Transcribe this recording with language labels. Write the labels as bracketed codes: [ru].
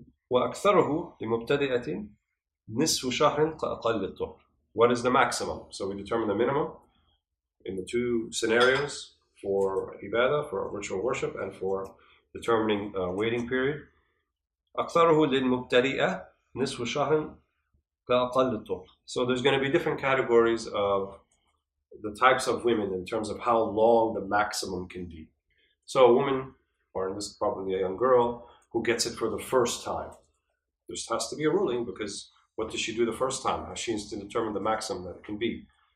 [ar] وأكثره لمبتدئة نصف شهر أقل الطهر. [en] What is the maximum? So we determine the minimum in the two scenarios for ibadah, for ritual worship, and for determining waiting period. [ar] أكثره للمبتدئة نصف شهر كأقل الطهر. [en] So there's going to be different categories of the types of women in terms of how long the maximum can be. So a woman, or this is probably a young girl, who gets it for the first time. There has to be a ruling, because what does she do the first time? She needs to determine the maximum that it can be.